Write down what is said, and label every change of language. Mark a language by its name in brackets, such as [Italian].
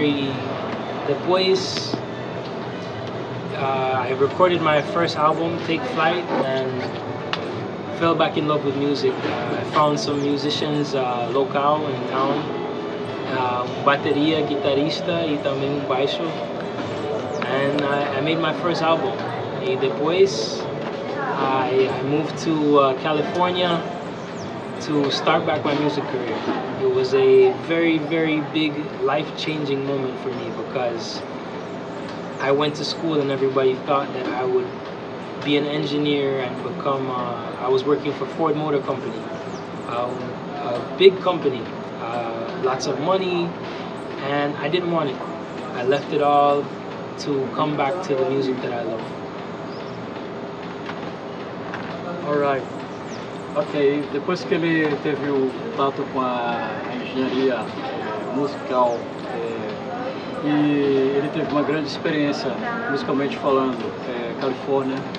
[Portuguese] E depois [English] I recorded my first album, Take Flight, and I fell back in love with music. I found some musicians local in town, [Portuguese] bateria, guitarista e também baixo. [English] And I made my first album. [Portuguese] E depois [English] I moved to California to start back my music career. It was a very, very big life-changing moment for me because I went to school and everybody thought that I would be an engineer and become, I was working for Ford Motor Company, a big company, lots of money, and I didn't want it. I left it all to come back to the music that I love. All right. [Portuguese] Okay, depois que ele teve o contato com a engenharia musical, e ele teve uma grande experiência, musicalmente falando, Califórnia.